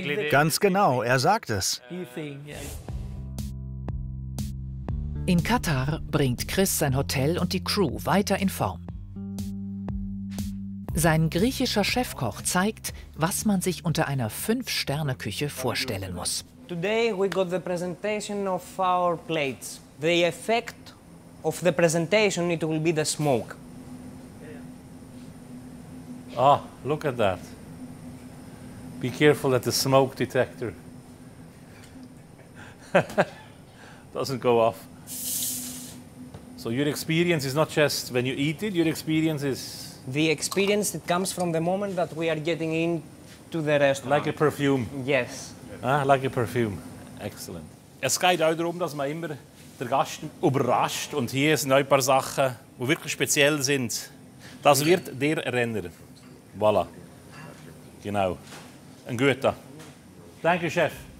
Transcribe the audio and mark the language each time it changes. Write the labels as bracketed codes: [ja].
[de] Ganz genau, er sagt es. In Katar bringt Chris sein Hotel und die Crew weiter in Form. Sein griechischer Chefkoch zeigt, was man sich unter einer 5-Sterne-Küche vorstellen muss. [en] Today we got the presentation of our plates. The effect of the presentation, it will be the smoke. Oh, look at that. Be careful that the smoke detector doesn't go off. So your experience is not just when you eat it, your experience is... The experience that comes from the moment that we are getting in to the restaurant. Like a perfume. Yes. Ah, like a perfume. Excellent. [de] Es geht auch darum, dass man immer den Gast überrascht. Und hier sind ein paar Sachen, die wirklich speziell sind. Das wird dir erinnern. Voilà. Genau. Ein guter. [en] Thank you, Chef.